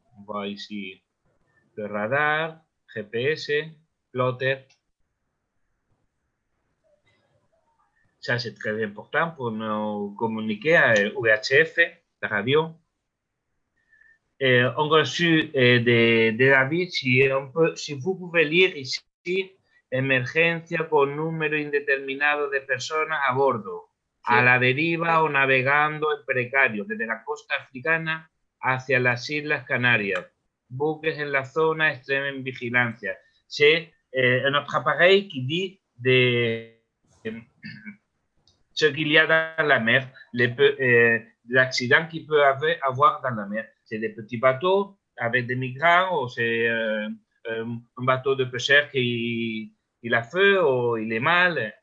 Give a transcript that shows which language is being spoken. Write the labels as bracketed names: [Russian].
[French] On voit ici le radar, GPS, plotter. Ça, c'est très important pour nous communiquer à VHF, la radio. On a reçu des avis. Si vous pouvez lire ici, [Spanish] emergencia con número indeterminado de personas a bordo. Sí. A la deriva o navegando en precario, desde la costa africana hacia las Islas Canarias. Buques en la zona extrema en vigilancia. [French] C'est un autre appareil qui dit de ce qu'il y a dans la mer, l'accident qu'il peut avoir dans la mer. C'est des petits bateaux avec des migrants ou c'est un bateau de pêcheur qui a feu ou il est mal.